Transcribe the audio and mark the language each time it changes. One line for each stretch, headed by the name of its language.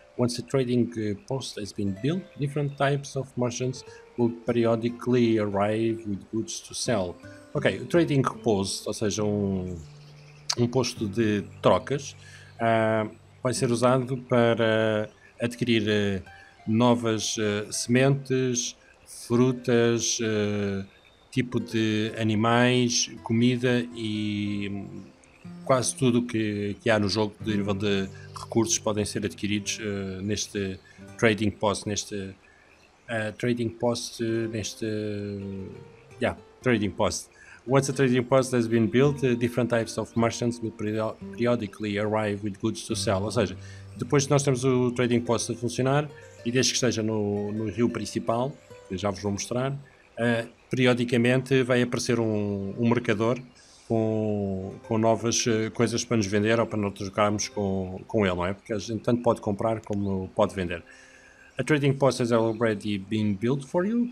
English: Once a trading post has been built, different types of merchants will periodically arrive with goods to sell.
Portuguese: Ok, o trading post, ou seja, um posto de trocas, vai ser usado para adquirir novas sementes, frutas, tipo de animais, comida e quase tudo que há no jogo de nível de recursos podem ser adquiridos neste trading post, trading post.
English: Once a trading post has been built, different types of merchants will periodically arrive with goods to sell.
Portuguese: Ou seja, depois de nós termos o trading post a funcionar, e desde que esteja no rio principal, que já vos vou mostrar, periodicamente vai aparecer um mercador com novas coisas para nos vender ou para nós trocarmos com ele, não é? Porque a gente tanto pode comprar como pode vender.
English: A trading post has already been built for you.